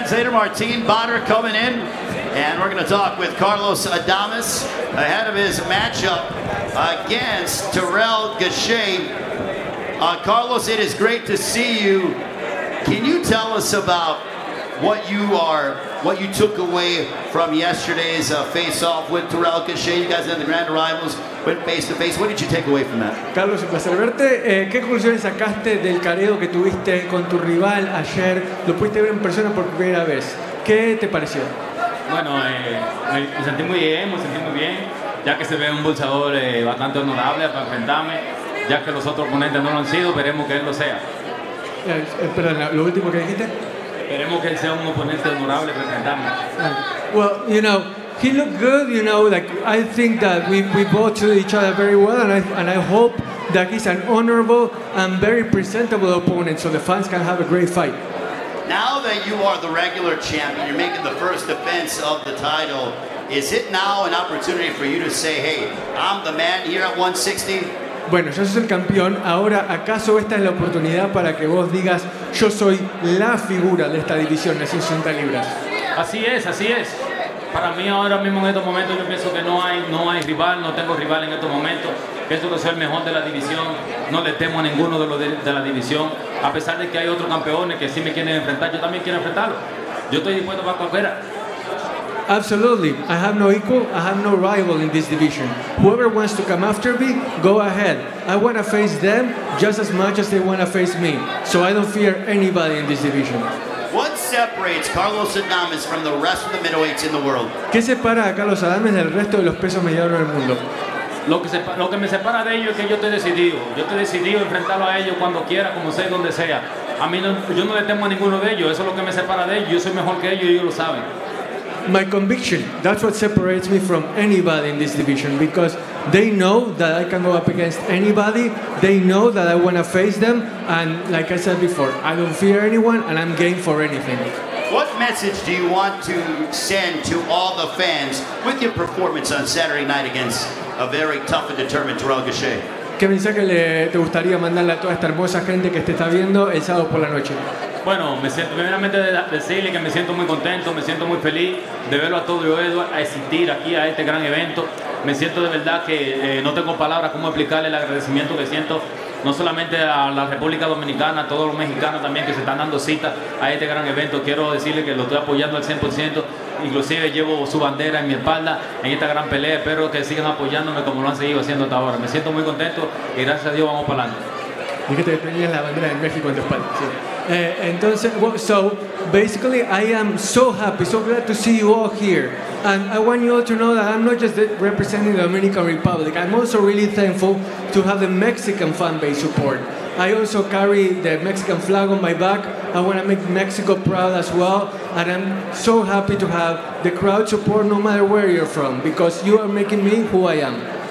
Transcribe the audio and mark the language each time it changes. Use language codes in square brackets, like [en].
[en] Martin Bader coming in, and we're going to talk with Carlos Adames ahead of his matchup against Terrell Gachet. Carlos, it is great to see you. Can you tell us about what you took away from yesterday's face-off with Terrell Gachet? You guys in the Grand Rivals went face-to-face. What did you take away from that? [es] Carlos, un placer verte. ¿Qué conclusiones sacaste del careo que tuviste con tu rival ayer? ¿Lo pudiste ver en persona por primera vez? ¿Qué te pareció? Bueno, me sentí muy bien, me sentí muy bien. Ya que se ve un boxeador bastante honorable para enfrentarme, ya que los otros oponentes no lo han sido, veremos que él lo sea. Perdón, lo último que dijiste. [en] Well, you know, he looked good. You know, like I think that we both treated each other very well, and I hope that he's an honorable and very presentable opponent, so the fans can have a great fight. Now that you are the regular champion, you're making the first defense of the title. Is it now an opportunity for you to say, "Hey, I'm the man here at 160"? [es] Bueno, ya sos el campeón. Ahora, ¿acaso esta es la oportunidad para que vos digas yo soy la figura de esta división de 60 libras? Así es, así es. Para mí ahora mismo en estos momentos yo pienso que no hay rival, no tengo rival en estos momentos. Pienso que soy el mejor de la división. No le temo a ninguno de la división. A pesar de que hay otros campeones que sí me quieren enfrentar, yo también quiero enfrentarlo. Yo estoy dispuesto para cualquiera. [en] Absolutely. I have no equal, I have no rival in this division. Whoever wants to come after me, go ahead. I want to face them just as much as they want to face me. So I don't fear anybody in this division. What separates Carlos Adames from the rest of the middleweights in the world? [es] ¿Qué separa a Carlos Adames del resto de los pesos medianos del mundo? Lo que me separa de ellos es que yo estoy decidido. Yo estoy decidido a enfrentarlo a ellos cuando quiera, como sea, donde sea. A mí no, yo no le temo a ninguno de ellos. Eso es lo que me separa de ellos. Yo soy mejor que ellos y ellos lo saben. [en] My conviction, that's what separates me from anybody in this division, because they know that I can go up against anybody, they know that I want to face them, and like I said before, I don't fear anyone and I'm game for anything. What message do you want to send to all the fans with your performance on Saturday night against a very tough and determined Terrell Gachet? [es] ¿Qué mensaje te gustaría mandarle a toda esta hermosa gente que te está viendo el sábado por la noche? Bueno, me siento primeramente de decirle que me siento muy contento, me siento muy feliz de verlo a todo el a existir aquí a este gran evento. Me siento de verdad que no tengo palabras cómo explicarle el agradecimiento que siento, no solamente a la República Dominicana, a todos los mexicanos también que se están dando cita a este gran evento. Quiero decirle que lo estoy apoyando al 100%, inclusive llevo su bandera en mi espalda en esta gran pelea. Espero que sigan apoyándome como lo han seguido haciendo hasta ahora. Me siento muy contento y gracias a Dios vamos para adelante. Dijiste que tenías la bandera de México en tu espalda, sí. [en] Entonces, well, so basically I am so happy, so glad to see you all here, and I want you all to know that I'm not just representing the Dominican Republic, I'm also really thankful to have the Mexican fan base support. I also carry the Mexican flag on my back. I want to make Mexico proud as well, and I'm so happy to have the crowd support no matter where you're from, because you are making me who I am.